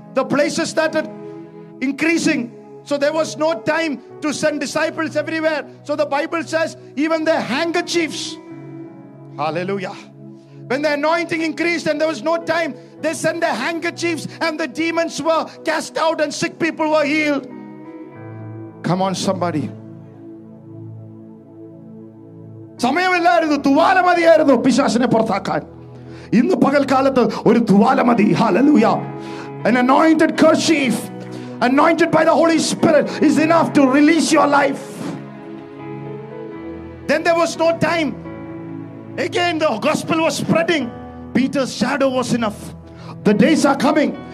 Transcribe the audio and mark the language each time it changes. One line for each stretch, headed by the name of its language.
English: The places started increasing. So there was no time to send disciples everywhere. So the Bible says, even their handkerchiefs, hallelujah. When the anointing increased and there was no time, they sent their handkerchiefs and the demons were cast out and sick people were healed. Come on, somebody.
Malayalam: സമയമില്ലായിരുന്നു, തുവാല മതിയായിരുന്നു പിശാസിനെ പുറത്താക്കാൻ. ഇന്ന് പകൽക്കാലത്ത് ഒരു തുവാല മതി. ഹല്ലേലൂയാ.
English: An anointed kerchief, anointed by the Holy Spirit, is enough to release your life. Then there was no time. Again the gospel was spreading. Peter's shadow was enough. The days are coming.